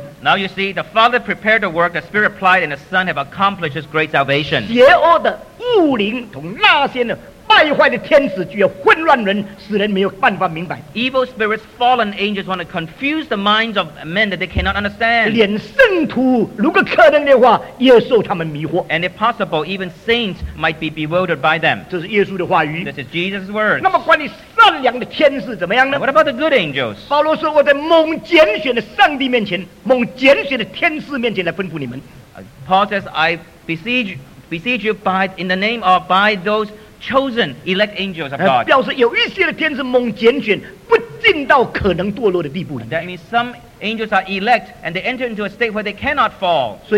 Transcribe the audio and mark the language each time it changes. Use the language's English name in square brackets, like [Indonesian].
[English] Now you see, the Father prepared the work, the Spirit applied, and the Son have accomplished His great salvation. [Chinese] 邪恶的物灵同那些败坏的天使就要混乱人，使人没有办法明白。 [English] Evil spirits, fallen angels want to confuse the minds of men that they cannot understand. [Chinese] 连圣徒如果可能的话，也受他们迷惑。 [English] And if possible, even saints might be bewildered by them. [Chinese] 这是耶稣的话语。 [English] This is Jesus' words. [Chinese] 那么关于善良的天使怎么样呢？ [English] What about the good angels? [Chinese] 保罗说，我在蒙拣选的上帝面前，蒙拣选的天使面前来吩咐你们。 [English] Paul says, I beseech you by those chosen elect angels of God. [Chinese] 表示有一些的天使蒙拣选，不进到可能堕落的地步里面。 [English] That means some angels are elect and they enter into a state where they cannot fall.